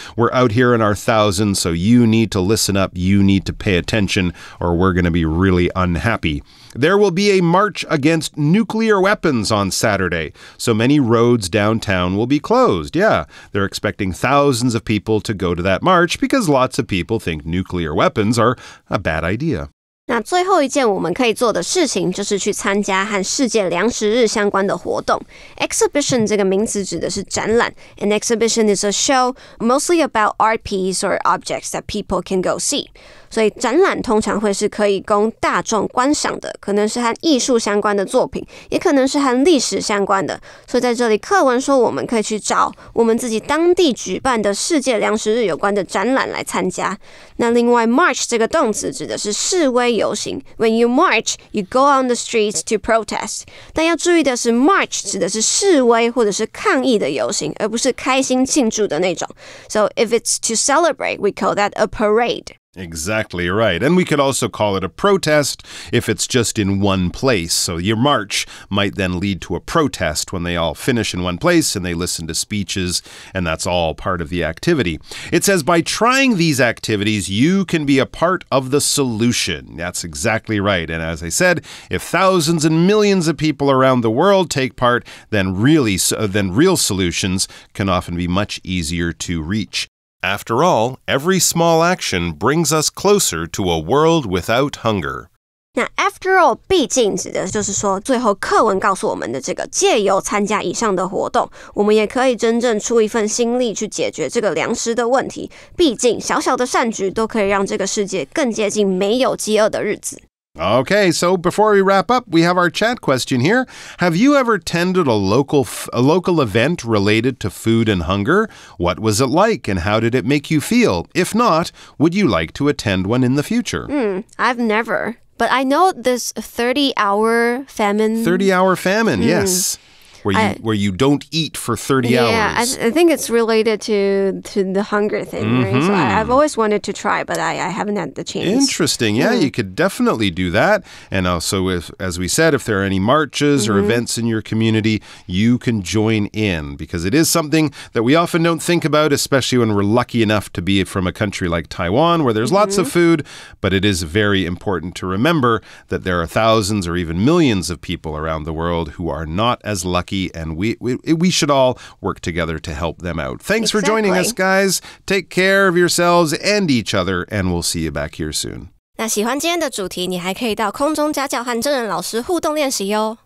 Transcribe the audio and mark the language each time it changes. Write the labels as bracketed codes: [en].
[en] We're out here in our thousands, so you need to listen up, you need to pay attention, or we're going to be really unhappy. There will be a march against nuclear weapons on Saturday, so many roads downtown will be closed. Yeah, they're expecting thousands of people to go to that march because lots of people think nuclear weapons are a bad idea. [zh] 那最后一件我们可以做的事情就是去参加和世界粮食日相关的活动。 Exhibition 这个名词指的是展览。 [en] An exhibition is a show mostly about art piece or objects that people can go see. [zh] 所以展览通常会是可以供大众观赏的，可能是和艺术相关的作品，也可能是和历史相关的。所以在这里课文说我们可以去找我们自己当地举办的世界粮食日有关的展览来参加。那另外 March 这个动词指的是示威游行。 [en] When you march, you go on the streets to protest. [zh] 但要注意的是 March 指的是示威或者是抗议的游行，而不是开心庆祝的那种。 [en] So if it's to celebrate, we call that a parade. Exactly right. And we could also call it a protest if it's just in one place. So your march might then lead to a protest when they all finish in one place and they listen to speeches, and that's all part of the activity. It says by trying these activities, you can be a part of the solution. That's exactly right. And as I said, if thousands and millions of people around the world take part, then real solutions can often be much easier to reach. After all, every small action brings us closer to a world without hunger. [zh] 那 after all, 毕竟指的就是说最后课文告诉我们的这个借由参加以上的活动，我们也可以真正出一份心力去解决这个粮食的问题。毕竟小小的善举都可以让这个世界更接近没有饥饿的日子。 [en] Okay, so before we wrap up, we have our chat question here. Have you ever attended a local event related to food and hunger? What was it like and how did it make you feel? If not, would you like to attend one in the future? I've never. But I know this 30-hour famine. 30-hour famine, yes. Where you don't eat for 30 hours. Yeah, I think it's related to the hunger thing. Mm-hmm. Right? So I've always wanted to try, but I haven't had the chance. Interesting. Yeah, you could definitely do that. And also, as we said, if there are any marches or events in your community, you can join in. Because it is something that we often don't think about, especially when we're lucky enough to be from a country like Taiwan, where there's lots of food. But it is very important to remember that there are thousands or even millions of people around the world who are not as lucky. And we should all work together to help them out. Thanks for joining us, guys. Take care of yourselves and each other, and we'll see you back here soon. [zh] 那喜欢今天的主题，你还可以到空中家教和真人老师互动练习哟。